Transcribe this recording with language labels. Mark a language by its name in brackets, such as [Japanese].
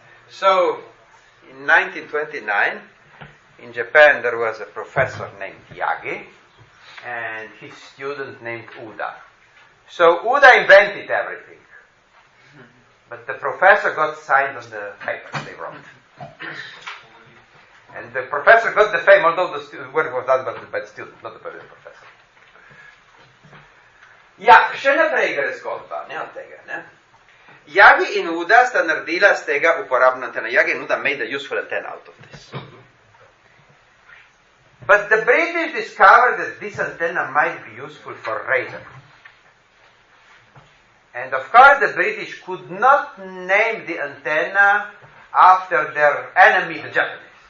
[English] So, in 1929, in Japan, there was a professor named Yagi and his student named Uda. So, Uda invented everything. But the professor got signed on the paper they wrote. And the professor got the fame, although the work was done by the student, not by the professor. [Slovenian] Ja, še naprej gre zgodba, ne od tega, ne? Yagi in Uda sta naredila z tega uporabno antena. [English] Yagi in Uda made a useful antenna out of this. But the British discovered that this antenna might be useful for radar. And of course the British could not name the antenna after their enemy, the Japanese.